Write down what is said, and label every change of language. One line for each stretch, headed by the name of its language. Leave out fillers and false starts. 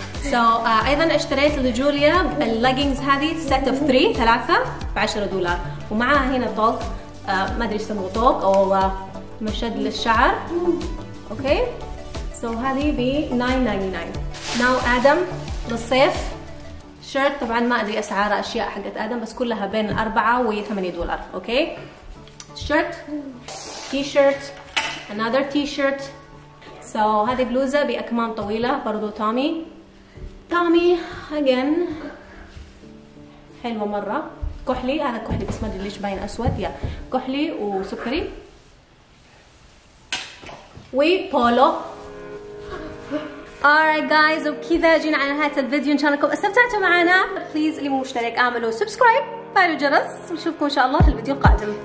Arabic: So أيضا اشتريت لجوليا الليجينز هذه
English: set of three
Arabic: ثلاثة $10 ومعها هنا طوق ما أدري إيش اسمه طوق أو مشد للشعر
English: Okay, so
Arabic: هذه ب $9.99. Now Adam, للصيف shirt طبعا ما أدري أسعار أشياء حقت Adam بس كلها بين الأربعة و$8.
English: Okay, shirt, T-shirt, another T-shirt.
Arabic: So هذه بلوزة بأكمام طويلة برضو Tommy again. حلوة مرة. كحلي هذا كحلي بس ما أدري ليش باين أسود يا كحلي وسكري. وي بولو
English: alright guys
Arabic: وكذا جينا على نهاية الفيديو ان شاء الله انكم استمتعتوا معنا بليز اللي مو مشترك اعملوا سبسكرايب فعلوا جرس ونشوفكم ان شاء الله في الفيديو القادم